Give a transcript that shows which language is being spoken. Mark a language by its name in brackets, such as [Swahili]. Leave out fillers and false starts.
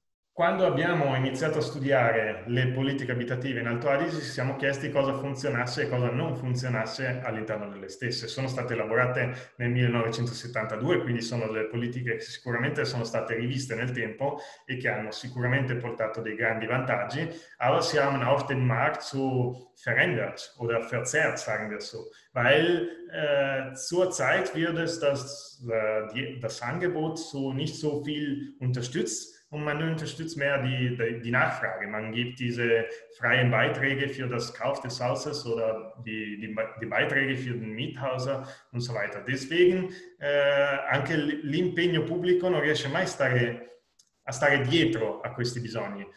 [Italian] Quando abbiamo iniziato a studiare le politiche abitative in Alto Adige, ci siamo chiesti cosa funzionasse e cosa non funzionasse all'interno delle stesse. Sono state elaborate nel 1972, quindi sono delle politiche che sicuramente sono state riviste nel tempo e che hanno sicuramente portato dei grandi vantaggi. [German] Aber sie haben auch den Markt so verändert oder verzerrt, sagen wir so. Weil zurzeit wird es das Angebot so nicht so viel unterstützt. Und man unterstützt mehr die Nachfrage. Man gibt diese freien Beiträge für das Kauf des Hauses oder die Beiträge für den Miethauser und so weiter. Deswegen, [Italian] anche l'impegno pubblico non riesce mai a stare dietro a questi bisogni.